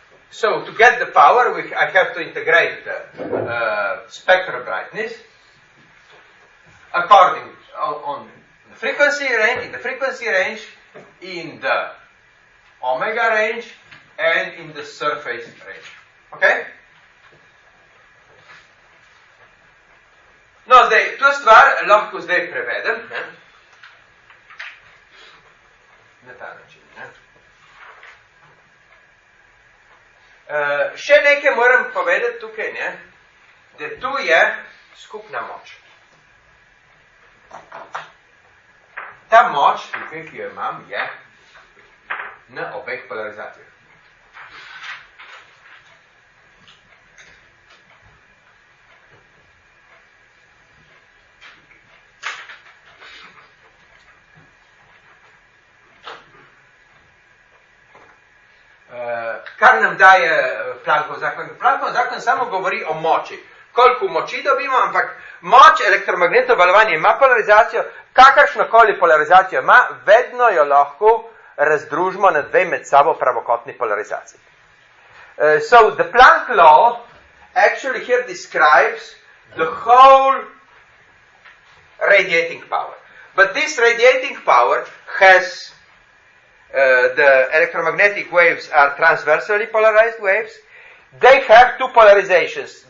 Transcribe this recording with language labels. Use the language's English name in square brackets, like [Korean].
[English] So, to get the power, I have to integrate the spectral brightness according on the frequency range, in the frequency range, in the omega range, and in the surface range. Okay? [Slovenian] No, zdaj, to stvar lahko zdaj prevedem, ne? Na ta način, ne? Še nekaj moram povedati tukaj, ne? Da tu je skupna moč. Ta moč, tukaj, ki jo imam, je na obeh polarizacijah. Kar nam daje Planckov zakon? Planckov zakon samo govori o moči. Koliko moči dobimo, ampak moč elektromagnetno valovanje ima polarizacijo, kakršnokoli polarizacijo ima, vedno jo lahko razdružimo na dve med sabo pravokotni polarizaciji. [English] So, the Planck law actually here describes the whole radiating power. But this radiating power has the electromagnetic waves are transversally polarized waves, they have two polarizations.